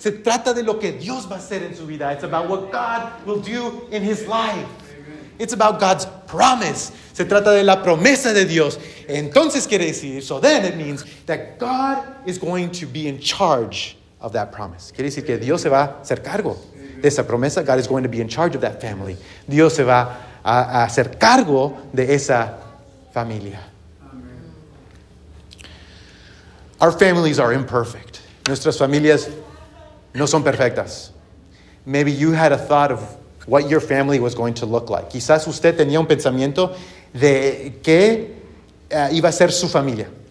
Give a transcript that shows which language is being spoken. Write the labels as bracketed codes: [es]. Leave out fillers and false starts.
[es] Se trata de lo que Dios va a hacer en su vida. [en] It's about what God will do in his life. It's about God's promise. [es] Se trata de la promesa de Dios. Entonces quiere decir, [en] so then it means that God is going to be in charge of that promise. [es] Quiere decir que Dios se va a hacer cargo. de esa promesa. [en] God is going to be in charge of that family. [es] Dios se va a hacer cargo de esa familia. [en] Amen. Our families are imperfect. [es] Nuestras familias no son perfectas. [en] Maybe you had a thought of what your family was going to look like. [es] Quizás usted tenía un pensamiento de qué iba a ser su familia.